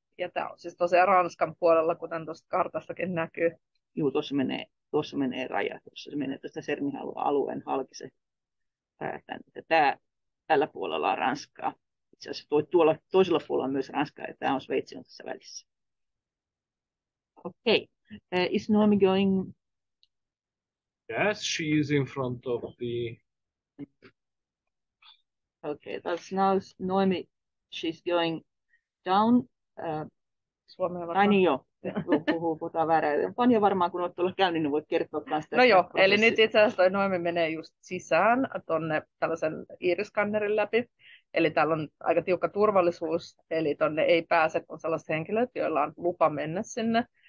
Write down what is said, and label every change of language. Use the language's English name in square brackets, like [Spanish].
[Finnish] ja tämä on siis tosiaan Ranskan puolella, kuten tuosta kartastakin näkyy. Joo, tuossa menee raja, tuossa se menee tuosta Sermihalu-alueen halki se päätän, että tällä puolella on Ranskaa. Itse asiassa tuolla toisella puolella on myös Ranskaa, ja tämä on Sveitsi on tässä välissä. [English] Okei, okay. Is Noemi going? Yes, she is in front of the... Okay, that's now Noemi, she's going down. [Finnish] Suomeen varmaan. Pani varmaan, kun olet tuolla käynyt, niin voit kertoa taas tästä. No joo, eli nyt itse asiassa toi Noemi menee just sisään tuonne tällaisen iiriskannerin läpi. Eli täällä on aika tiukka turvallisuus, eli tuonne ei pääse kuin sellaiset henkilöt, joilla on lupa mennä sinne.